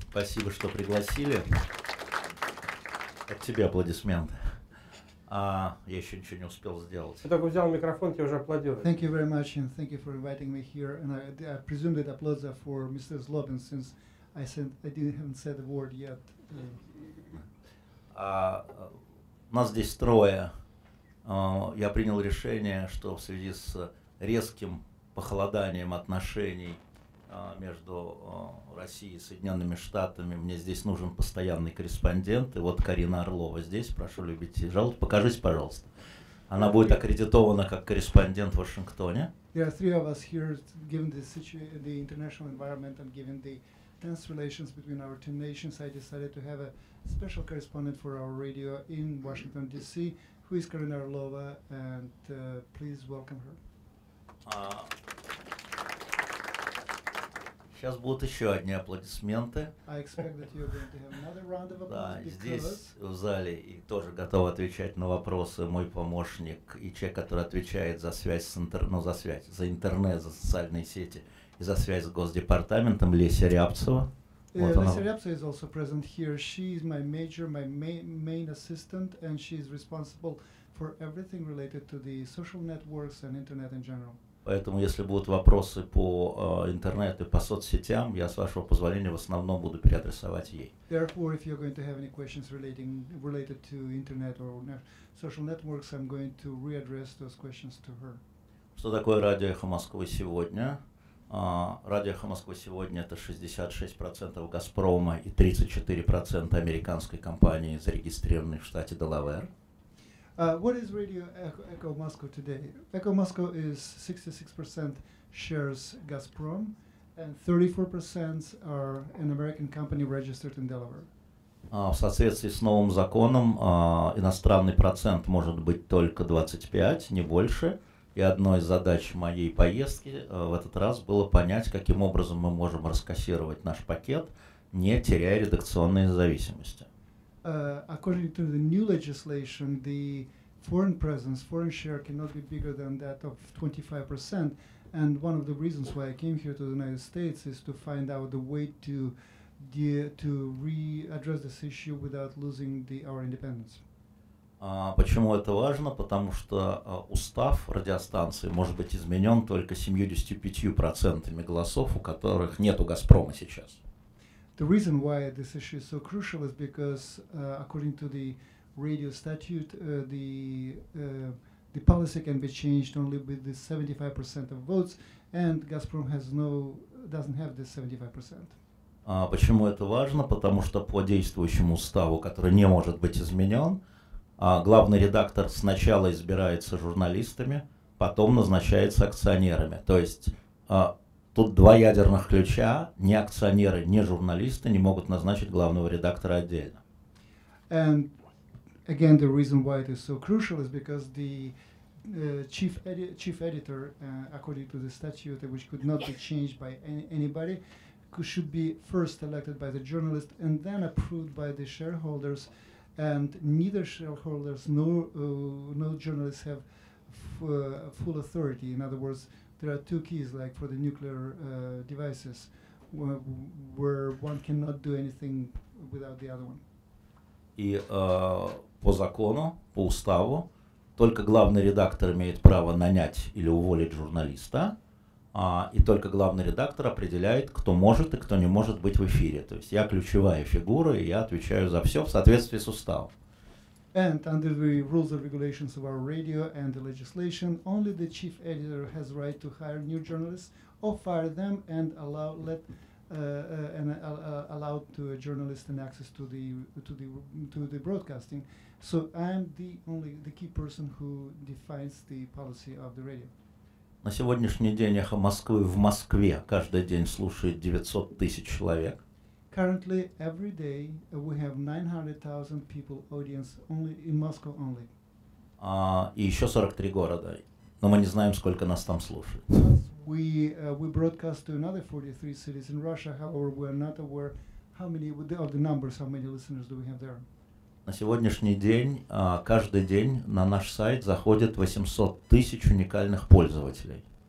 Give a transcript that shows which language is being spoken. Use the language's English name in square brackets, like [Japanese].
[Russian] Спасибо, что пригласили. От тебя аплодисменты. Я еще ничего не успел сделать. Я только взял микрофон, я уже аплодирую. [English] Thank you very much, and thank you for inviting me here. And I presume that applause are for Mr. Zlobin, since I haven't said a word yet. [Russian] Нас здесь трое. Я принял решение, что в связи с резким похолоданием отношений между Россией и Соединенными Штатами. Мне здесь нужен постоянный корреспондент. И вот Карина Орлова здесь. Прошу любить и жаловать. Покажись, пожалуйста. Она будет аккредитована как корреспондент в Вашингтоне. [English] There are three of us here, given the situation, the international environment, and given the tense relations between our two nations, I decided to have a special correspondent for our radio in Washington, D.C., who is Karina Orlova, and please welcome her. [Russian] Сейчас будут еще одни аплодисменты. [English] I expect that you're going to have another round of applause. [Russian] Да, здесь в зале и тоже готов отвечать на вопросы мой помощник и человек, который отвечает за связь с за интернет, за социальные сети и за связь с Госдепартаментом Леся Рябцева. [English] Леся Рябцева is also present here. She is my major, my main assistant, and she is responsible for everything related to the social networks and internet in general. [Russian] Поэтому, если будут вопросы по интернету и по соцсетям, я, с вашего позволения, в основном буду переадресовать ей. [English] Therefore, if you're going to have any questions related to internet or social networks, I'm going to readdress those questions to her. [Russian] Что такое радио «Эхо Москвы» сегодня? Радио «Эхо Москвы» сегодня — это 66% «Газпрома» и 34% американской компании, зарегистрированной в штате Делавэр. [English] What is Radio Echo Moscow today? Echo Moscow is 66% shares Gazprom, and 34% are an American company registered in Delaware. [Russian] В соответствии с новым законом, иностранный процент может быть только 25, не больше. И одной из задач моей поездки в этот раз было понять, каким образом мы можем раскассировать наш пакет, не теряя редакционной независимости. [English] According to the new legislation, the foreign presence, foreign share cannot be bigger than that of 25%. And one of the reasons why I came here to the United States is to find out the way to readdress this issue without losing our independence. [Russian] Почему это важно? Потому что устав радиостанции может быть изменен только 75% голосов, у которых нету Газпрома сейчас. [English] The reason why this issue is so crucial is because, according to the radio statute, the policy can be changed only with the 75% of votes, and Gazprom doesn't have this 75%. [Russian] Почему это важно? Потому что по действующему уставу, который не может быть изменен, главный редактор сначала избирается журналистами, потом назначается акционерами. То есть тут два ядерных ключа, ни акционеры, ни журналисты не могут назначить главного редактора отдельно. [English] And again, the reason why it is so crucial is because the chief editor, according to the statute, which could not be changed by anybody, should be first elected by the journalist and then approved by the shareholders. And neither shareholders nor journalists have full authority. In other words, there are two keys, like for the nuclear devices, where one cannot do anything without the other one. [Russian] И по закону, по уставу, только главный редактор имеет право нанять или уволить журналиста, и только главный редактор определяет, кто может и кто не может быть в эфире. То есть я ключевая фигура, и я отвечаю за все в соответствии с уставом. [English] And under the rules and regulations of our radio and the legislation, only the chief editor has right to hire new journalists or fire them and allow to a journalist an access to the broadcasting. So I'm the key person who defines the policy of the radio. [Russian] На сегодняшний день «Эхо Москвы» в Москве каждый день слушает 900 тысяч человек. [English] Currently, every day, we have 900,000 people audience only in Moscow only. [Russian] И еще 43 города. Но мы не знаем, сколько нас там слушают. [English] We broadcast to another 43 cities in Russia, however, we are not aware how many listeners do we have there. [Russian] На сегодняшний день, каждый день на наш сайт заходит 800 тысяч уникальных пользователей.